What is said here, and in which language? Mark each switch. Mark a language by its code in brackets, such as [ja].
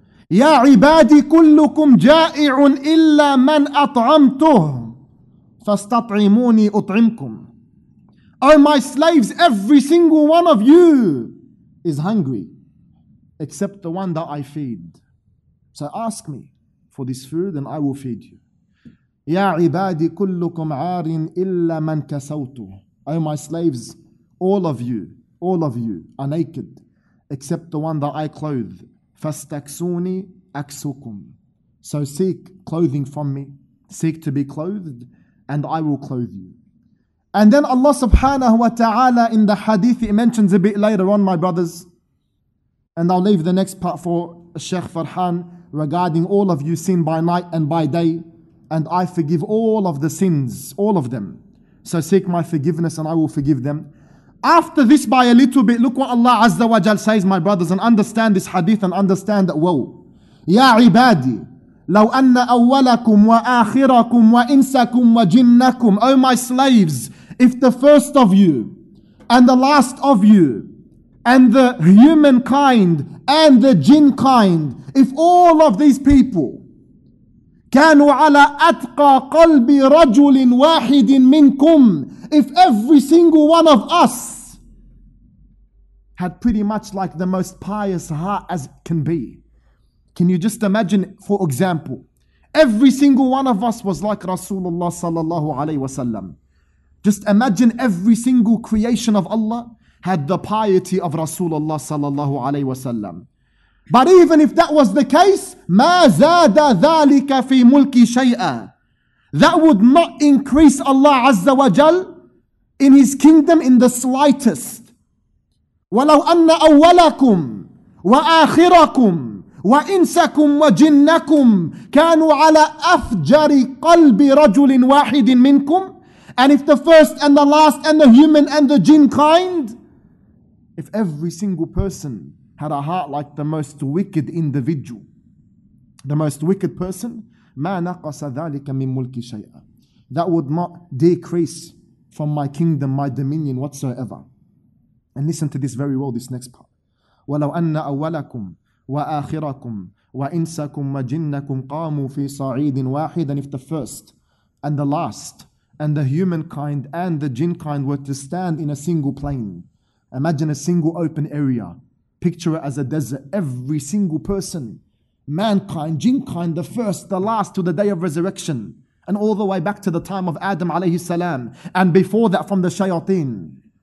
[ar] يا عبادي كلكم جائع إلا من أطعمته فاستطعموني أطعمكم. [en] Oh, my slaves, every single one of you is hungry, except the one that I feed. So ask me for this food and I will feed you. [ar] Ya ibadi kullukum arin illa man kasawtu. [en] Oh, my slaves, all of you are naked, except the one that I clothe. [ar] Fastaksuni aksukum. [en] So seek clothing from me, seek to be clothed, and I will clothe you. And then Allah subhanahu wa ta'ala in the hadith, it mentions a bit later on, my brothers. And I'll leave the next part for Sheikh Farhan regarding all of you sin by night and by day. And I forgive all of the sins, all of them. So seek my forgiveness and I will forgive them. After this by a little bit, look what Allah Azza wa Jal says, my brothers, and understand this hadith and understand that, whoa. [ar] Ya ibadi, لو أن أولكم وآخركم وإنسكم وجنكم. [en] Oh my slaves, if the first of you and the last of you and the humankind and the jinn kind, if all of these people [ar] كانوا على أتقى قلب رجل واحد منكم, [en] if every single one of us had pretty much like the most pious heart as can be. Can you just imagine, for example, every single one of us was like Rasulullah sallallahu alayhi wasallam. Just imagine every single creation of Allah had the piety of Rasulullah sallallahu alayhi wasallam. But even if that was the case, [ar] ما زاد ذلك في ملكي شيئا, [en] that would not increase Allah Azza wa Jal in His kingdom in the slightest. [ar] ولو أن أولكم وآخركم وإنسكم وجنكم كانوا على أفجر قلب رجل واحد منكم. [en] And if the first and the last and the human and the jinn kind, if every single person had a heart like the most wicked individual, the most wicked person, [ar] ما نقص ذلك من ملك شيئا, [en] that would not decrease from my kingdom, my dominion whatsoever. And listen to this very well, this next part. [ar] ولو أن أولكم وآخركم وإنسكم وجنكم قاموا في صعيد واحد. [en] And if the first and the last and the humankind and the jinn kind were to stand in a single plane, imagine a single open area, picture it as a desert, every single person, mankind, jinn kind, the first, the last, to the day of resurrection, and all the way back to the time of Adam alayhi salam, and before that from the shayateen.